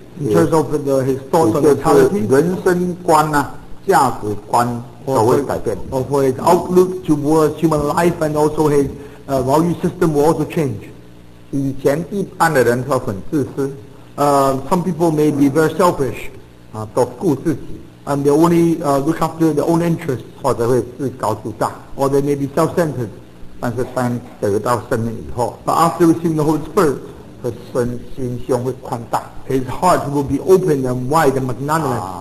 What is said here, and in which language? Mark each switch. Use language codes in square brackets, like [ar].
[en] In terms of the, his thoughts and mentality, [zh] 人生观啊，价值观 都会改变。 [en] Of his outlook towards human life and also his value system will also change. [zh] 以前一般的人都很自私。 [en] Some people may be very selfish. [zh] 都顾自己。 [en] And they only look after their own interests. [zh] 或者会自高自大。 [en] Or they may be self-centered. [zh] 但是当得到圣灵以后。 [en] But after receiving the Holy Spirit, [zh] 他心胸会宽大。 [en] His heart will be open and wide and magnanimous.